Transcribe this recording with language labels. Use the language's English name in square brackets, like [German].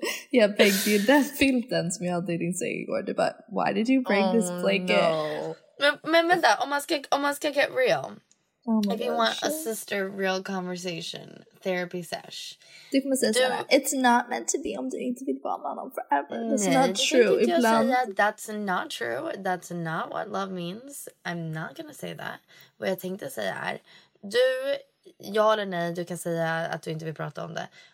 [Swedish] Ja, Peg, det är den filten som jag aldrig [English] didn't say [Swedish] igår. Det är bara, [English] why did you bring this blanket? [Swedish] No. Men vänta, om man ska [English] get real. Oh, if you want a sister real conversation, therapy sesh. [Swedish] Du kommer säga såhär, [English] it's not meant to be [Swedish] om du inte vill vara med någon forever. [English] That's not true. [Swedish] Ibland. [English] That's not true. That's not what love means. I'm not gonna say that. [Swedish] Vad jag tänkte säga är, ja eller nej, du kan säga att du inte vill prata om det.